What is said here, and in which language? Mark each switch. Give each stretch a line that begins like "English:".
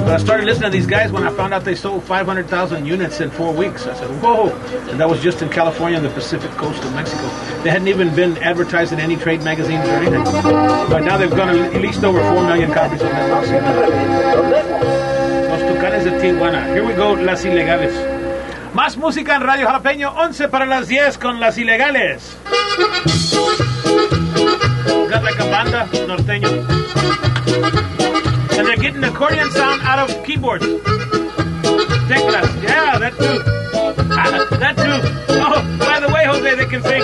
English: But I started listening to these guys when I found out they sold 500,000 units in 4 weeks. I said, whoa. And that was just in California and the Pacific coast of Mexico. They hadn't even been advertised in any trade magazines or anything. But now they've gone at least over 4 million copies of that box. Tucanes de Tijuana. Here we go, Las Ilegales.
Spanish: Más música en Radio Jalapeño, 11 para las 10 con Las Ilegales.
English: Got like a banda, norteño. And they're getting accordion sound out of keyboards. Teclas. Yeah, that too. That too. Oh, by the way, Jose, they can sing.